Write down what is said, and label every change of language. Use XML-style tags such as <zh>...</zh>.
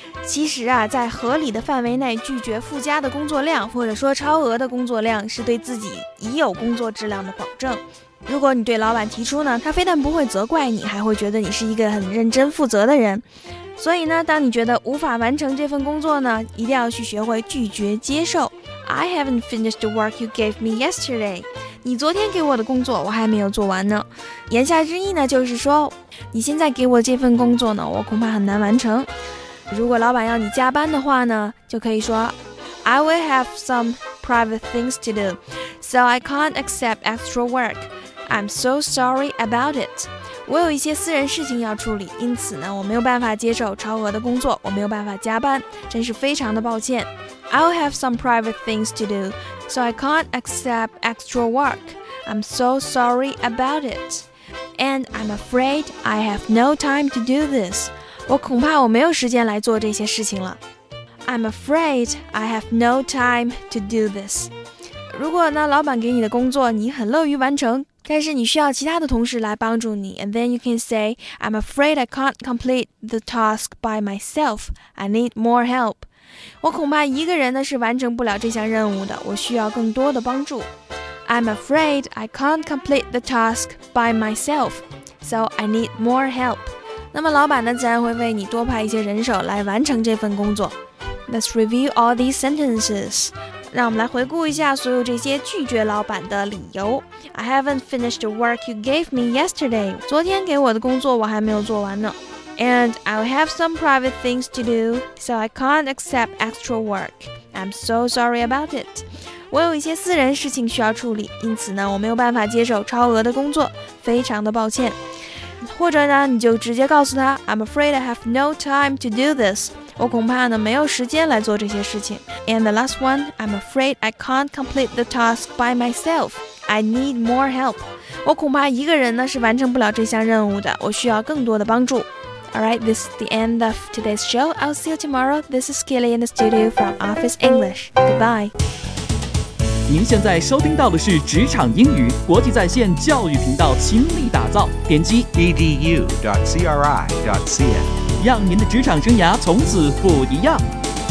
<zh>其实啊，在合理的范围内拒绝附加的工作量，或者说超额的工作量，是对自己已有工作质量的保证。如果你对老板提出呢，他非但不会责怪你，还会觉得你是一个很认真负责的人。所以呢，当你觉得无法完成这份工作呢，一定要去学会拒绝接受。</zh> <en>I haven't finished the work you gave me yesterday.</en> <zh>你昨天给我的工作我还没有做完呢。言下之意呢，就是说你现在给我这份工作呢，我恐怕很难完成。如果老板要你加班的话呢，就可以说</zh> <en>I will have some private things to do, so I can't accept extra work. I'm so sorry about it.</en> <zh>我有一些私人事情要处理，因此呢，我没有办法接受超额的工作，我没有办法加班，真是非常的抱歉。</zh> <en>I'll have some private things to do, so I can't accept extra work. I'm so sorry about it. And I'm afraid I have no time to do this.</en> <zh>我恐怕我没有时间来做这些事情了。</zh> <en>I'm afraid I have no time to do this.</en> <zh>如果呢，老板给你的工作你很乐于完成，但是你需要其他的同事来帮助你，</zh> <en>and then you can say, I'm afraid I can't complete the task by myself. I need more help.</en> <zh>我恐怕一个人呢是完成不了这项任务的，我需要更多的帮助。</zh> <en>I'm afraid I can't complete the task by myself, so I need more help.</en> <zh>那么老板呢自然会为你多派一些人手来完成这份工作。</zh> <en>Let's review all these sentences.</en> <zh>让我们来回顾一下所有这些拒绝老板的理由。</zh> <en>I haven't finished the work you gave me yesterday.</en> <zh>昨天给我的工作我还没有做完呢。</zh> <en>And I'll have some private things to do, so I can't accept extra work. I'm so sorry about it.</en> <zh>我有一些私人事情需要处理，因此呢，我没有办法接受超额的工作，非常的抱歉。或者呢，你就直接告诉他</zh> <en>I'm afraid I have no time to do this.</en> <zh>我恐怕呢，没有时间来做这些事情。</zh> <en>And the last one, I'm afraid I can't complete the task by myself. I need more help.</en> <zh>我恐怕一个人呢，是完成不了这项任务的，我需要更多的帮助。</zh> <en>Alright, this is the end of today's show. I'll see you tomorrow. This is Kelly in the studio from Office English. Goodbye.</en> <zh>您现在收听到的是职场英语国际在线教育频道倾力打造，点击 edu.cri.cn， 让您的职场生涯从此不一样。</zh>